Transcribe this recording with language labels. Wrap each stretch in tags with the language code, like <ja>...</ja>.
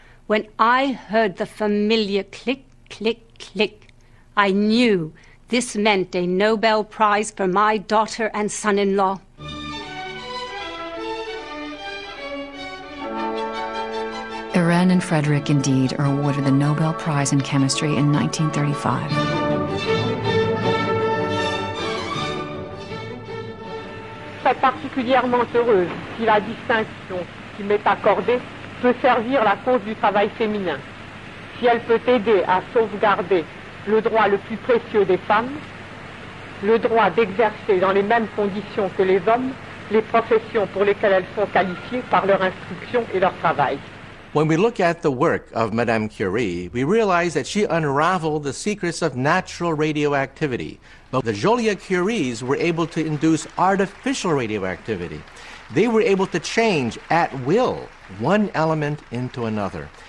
<en>When I heard the familiar click, click, click, I knew this meant a Nobel Prize for my daughter and son-in-law. Irene and Frederick, indeed, are awarded the Nobel Prize in Chemistry in 1935.</en> <fr>Particulièrement heureuse si la distinction qui m'est accordée peut servir la cause du travail féminin, si elle peut aider à sauvegarder le droit le plus précieux des femmes, le droit d'exercer dans les mêmes conditions que les hommes les professions pour lesquelles elles sont qualifiées par leur instruction et leur travail.</fr> <en>When we look at the work of Madame Curie, we realize that she unraveled the secrets of natural radioactivity. But the Joliot-Curies were able to induce artificial radioactivity. They were able to change at will one element into another.</en>